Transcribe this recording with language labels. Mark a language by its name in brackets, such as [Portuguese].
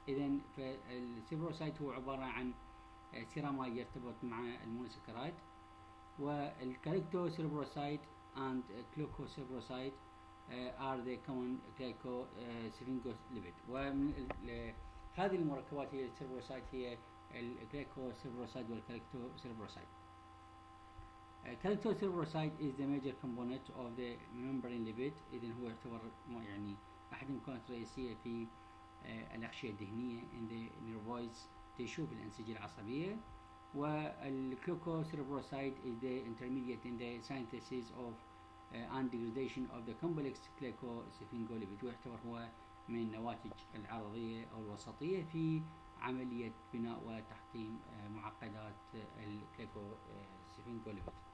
[Arabic] إذن cerebroside هو عبارة عن ceramide يرتبط مع المونوسكرايد، والكاليكتوسيربروسايد [English] and glucocerebroside are the common glycosphingolipid. [Arabic] ومن هذه المركبات هي cerebroside هي الglycosphingolipid والكاليكتوسيربروسايد. [English] Calcitriol is the major component of the membrane lipid. [Arabic] إذن هو يعتبر يعني أحد المكونات الرئيسية في الأغشية الدهنية [English] in the nervous tissue [Arabic] في الأنسجة العصبية. [English] والglucocerebroside is the intermediate in the synthesis of and degradation of the complex glycosphingolipid. [Arabic] ويعتبر هو من النواتج العرضية أو الوسطية في عملية بناء وتحطيم معقدات الglycosphingolipid.